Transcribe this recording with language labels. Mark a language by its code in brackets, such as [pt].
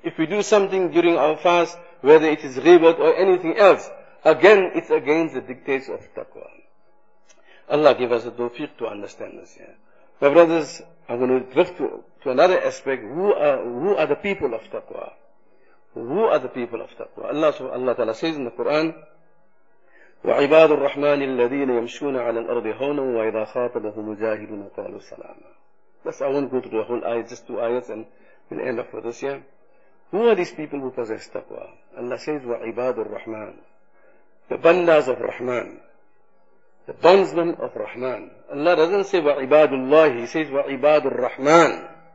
[en] If we do something during our fast, whether it is ghibat or anything else, again it's against the dictates of taqwa. Allah give us the tawfiq to understand this. Yeah. My brothers, I'm going to drift to another aspect. Who are the people of taqwa? Who are the people of taqwa? Allah Ta'ala says in the Quran, [ar] وَعِبَادُ الرَّحْمَنِ الَّذِينَ يَمْشُونَ عَلَى الْأَرْضِ هَوْنًا وَإِذَا خَاطَبَهُمُ مُجَاهِدُونَ قَالُوا سَلَامًا. [en] That's, I won't go through the whole ayah, just two ayahs and we'll end up with this. Yeah. Who are these people who possess taqwa? Allah says, [ar] وَعِبَادُ الرَّحْمَنِ. [en] the bandas of Rahman, the bondsmen of Rahman. Allah doesn't say wa ibadullah, He says wa ibadur Rahman.